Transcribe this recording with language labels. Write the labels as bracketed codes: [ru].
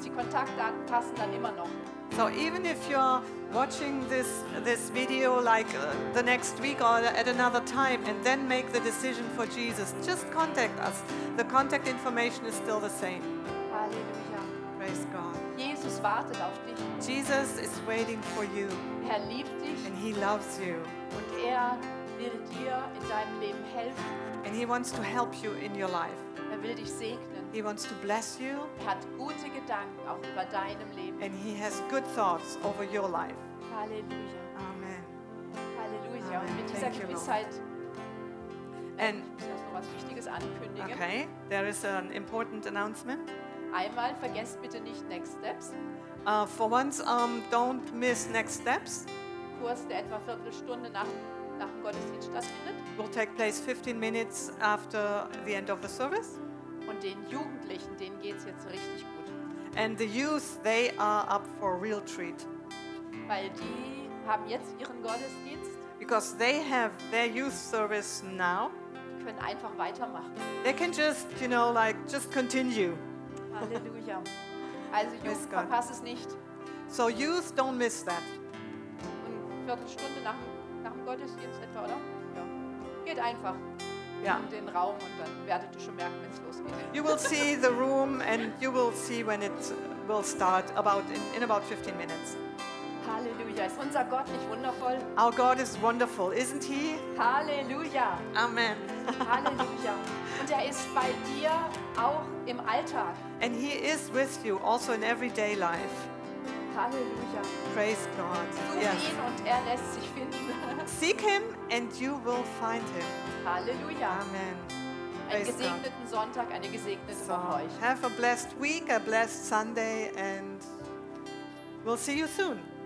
[de] Die Kontaktdaten passen dann immer noch. [en] So even if you're watching this video like the next week or at another time and then make the decision for Jesus, just contact us. The contact information is still the same. Halleluja. Praise God. [de] Jesus wartet auf dich. [en] Jesus is waiting for you. [de] Er liebt dich. [en] And He loves you. [de] Und er will dir in deinem Leben helfen. [en] And He wants to help you in your life. [de] Er will dich segnen. [en] He wants to bless you. [de] Er hat gute Gedanken auch über deinem Leben. [en] And He has good thoughts over your life. Halleluja. Amen. Halleluja. [de] Amen. Und mit dieser Gewissheit muss ich noch was Wichtiges ankündigen. [en] Okay, there is an important announcement. [de] Einmal vergesst bitte nicht Next Steps. [en] For once, don't miss Next Steps. [de] Kurs, der etwa Viertelstunde nach dem Gottesdienst stattfindet. [en] Will take place 15 minutes after the end of the service. [de] Und den Jugendlichen, denen geht's jetzt richtig gut. [en] And the youth, they are up for a real treat. [de] Weil die haben jetzt ihren Gottesdienst. [en] Because they have their youth service now. [de] Die können einfach weitermachen. [en] They can just, you know, like, just continue. [de] Halleluja. Also Jugend, verpass es nicht. [en] So youth, don't miss that. [de] Und Viertelstunde nach dem Gottesdienst etwa, oder? Ja. Geht einfach. [en] Yeah. [de] In den Raum und dann werdet ihr schon merken, wenn es losgeht. [en] You will see the room and you will see when it will start about in about 15 minutes. [de] Halleluja. Ist unser Gott nicht wundervoll? [en] Our God is wonderful, isn't he? Halleluja. Amen. Halleluja. [de] Und er ist bei dir auch im Alltag. [en] And he is with you also in everyday life. Halleluja. Praise God. [de] Such yes. ihn und er lässt sich finden. [en] Seek him and you will find him. Halleluja. Amen. [de] Einen gesegneten God. Sonntag, eine gesegnete so, Woche euch. [en] Have a blessed week, a blessed Sunday and we'll see you soon.